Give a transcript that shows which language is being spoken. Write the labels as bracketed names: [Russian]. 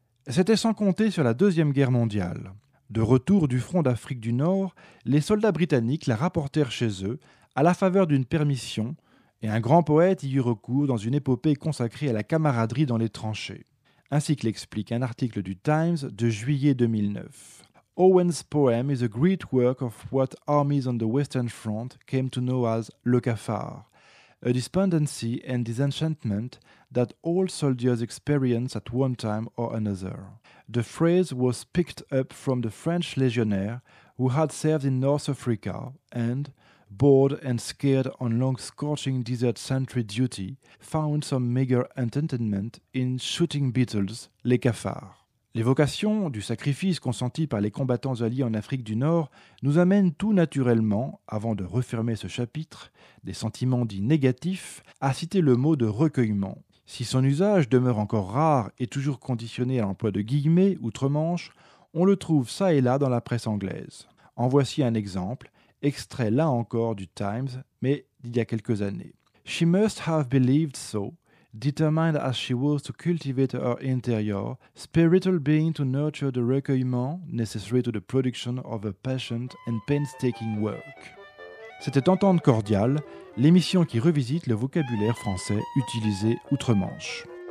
[French] C'était sans compter sur la Deuxième Guerre mondiale. De retour du front d'Afrique du Nord, les soldats britanniques la rapportèrent chez eux, à la faveur d'une permission, et un grand poète y eut recours dans une épopée consacrée à la camaraderie dans les tranchées. Ainsi que l'explique un article du Times de juillet 2009. [English] Owen's poem is a great work of what armies on the Western Front came to know as le cafard, a despondency and disenchantment that all soldiers experience at one time or another. The phrase was picked up from the French legionnaire who had served in North Africa and, bored and scared on long scorching desert sentry duty, found some meager entertainment in shooting beetles, les cafards. [French] L'évocation du sacrifice consenti par les combattants alliés en Afrique du Nord nous amène tout naturellement, avant de refermer ce chapitre, des sentiments dits négatifs, à citer le mot de recueillement. Si son usage demeure encore rare et toujours conditionné à l'emploi de guillemets outre-Manche, on le trouve ça et là dans la presse anglaise. En voici un exemple, extrait là encore du Times, mais d'il y a quelques années. [English] « She must have believed so. » Determined as she was to cultivate her interior, spiritual being to nurture the recueillement necessary to the production of a patient and painstaking work. [French] C'était Entente Cordiale, l'émission qui revisite le vocabulaire français utilisé outre-Manche.